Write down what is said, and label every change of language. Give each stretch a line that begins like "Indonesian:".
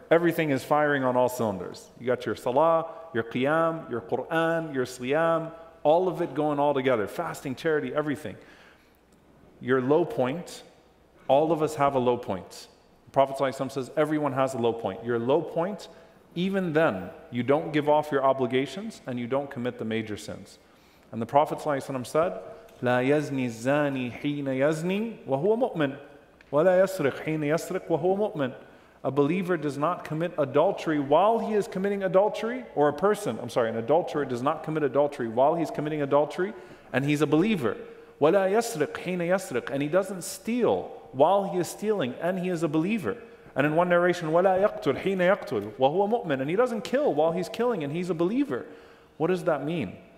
English: everything is firing on all cylinders. You got your salah, your qiyam, your Quran, your siyam, all of it going all together, fasting, charity, everything. Your low point, all of us have a low point. The Prophet ﷺ says everyone has a low point. Your low point, even then, you don't give off your obligations and you don't commit the major sins. And the Prophet ﷺ said,
Arabic: لا يزني الزاني حين يزني وهو مؤمن ولا يسرق حين يسرق وهو مؤمن.
English: A believer does not commit adultery while he is committing adultery, or a person, I'm sorry, an adulterer does not commit adultery while he's committing adultery and he's a believer.
Arabic: ولا يسرق حين يسرق,
English: and he doesn't steal while he is stealing and he is a believer. And in one narration,
Arabic: ولا يقتل حين يقتل وهو مؤمن,
English: and he doesn't kill while he's killing and he's a believer. What does that mean?